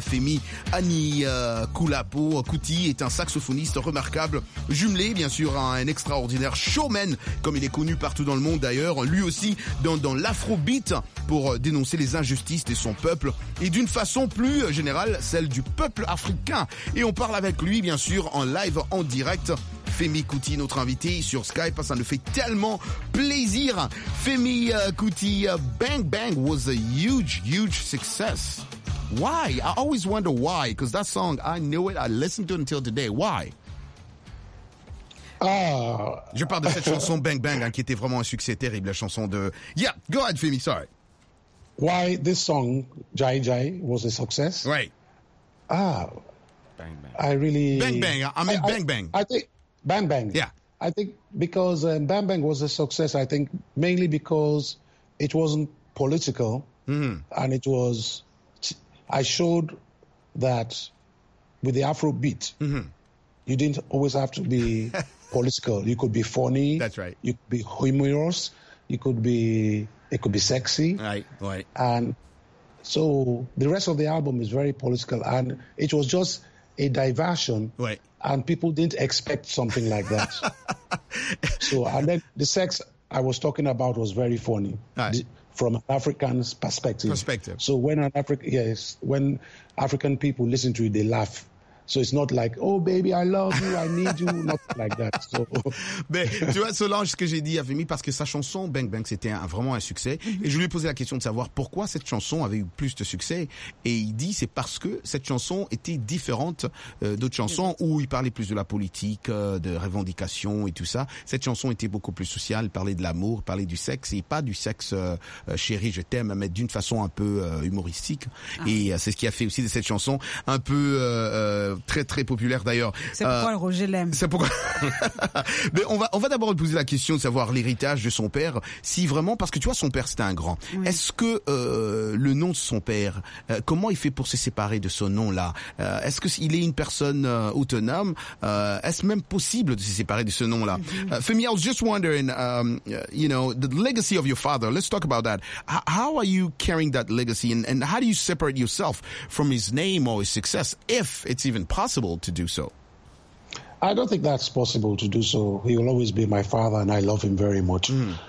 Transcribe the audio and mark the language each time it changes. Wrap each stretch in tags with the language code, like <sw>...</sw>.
<fr>Femi Anikulapo Kuti est un saxophoniste remarquable, jumelé, bien sûr, à un extraordinaire showman, comme il est connu partout dans le monde d'ailleurs, lui aussi dans l'afrobeat, pour dénoncer les injustices de son peuple et d'une façon plus générale celle du peuple africain. Et on parle avec lui, bien sûr, en live, en direct. Femi Kuti, notre invité sur Skype, ça nous fait tellement plaisir.</fr> <en>Femi Kuti, Bang Bang was a huge, huge success. Why? I always wonder why, because that song, I knew it, I listened to it until today. Why?</en> <fr>Je parle de cette chanson Bang Bang, hein, qui était vraiment un succès terrible, la chanson de...</fr> <en>Yeah, go ahead, Femi, sorry. Why this song, Jai Jai, was a success? Right. Ah. Bang Bang. I really... Bang Bang. I mean Bang Bang. I think... Bang Bang. Yeah. I think because Bang Bang was a success, I think mainly because it wasn't political. Mm-hmm. And it was... I showed that with the Afro beat, mm-hmm. you didn't always have to be political. You could be funny. That's right. You could be humorous. You could be... It could be sexy. Right. And so the rest of the album is very political. And it was just a diversion. Right. And people didn't expect something like that. So, and then the sex I was talking about was very funny. Right. From an African's perspective. Perspective. So when an African people listen to it, they laugh. So it's not like, oh baby, I love you, I need you, not like that. So.</en> <fr>Mais tu vois, Solange, ce que j'ai dit à Vimi, parce que sa chanson, Bang Bang, c'était vraiment un succès. Et je lui ai posé la question de savoir pourquoi cette chanson avait eu plus de succès. Et il dit, c'est parce que cette chanson était différente d'autres chansons où il parlait plus de la politique, de revendications et tout ça. Cette chanson était beaucoup plus sociale, parlait de l'amour, parlait du sexe, et pas du sexe, chérie, je t'aime, mais d'une façon un peu humoristique. Ah. Et c'est ce qui a fait aussi de cette chanson un peu très très populaire d'ailleurs. C'est pourquoi Roger l'aime. C'est pourquoi. Mais on va d'abord lui poser la question de savoir l'héritage de son père, si vraiment, parce que tu vois, son père c'était un grand. Oui. Est-ce que le nom de son père, comment il fait pour se séparer de ce nom-là? Est-ce qu'il est une personne autonome? Est-ce même possible de se séparer de ce nom-là?</fr> <en>Femi, I was just wondering, you know, the legacy of your father. Let's talk about that. How are you carrying that legacy and how do you separate yourself from his name or his success, if it's even possible to do so? I don't think that's possible to do so. He will always be my father, and I love him very much. Mm.</en>